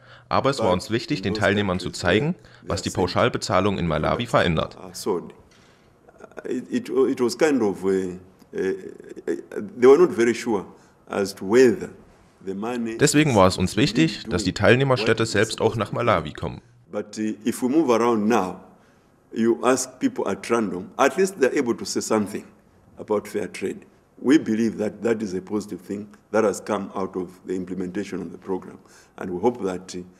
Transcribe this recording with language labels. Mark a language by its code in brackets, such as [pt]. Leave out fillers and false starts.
[de] Aber es war uns wichtig, den Teilnehmern zu zeigen, was die Pauschalbezahlung in Malawi verändert. [en] It was kind of they were not very sure as to whether the money. [de] Deswegen war es uns wichtig, dass die Teilnehmerstädte selbst auch nach Malawi kommen. [en] But if we move around now, you ask people at random, at least they're able to say something about fair trade. We believe that that is a positive thing that has come out of the implementation of the program, and we hope that.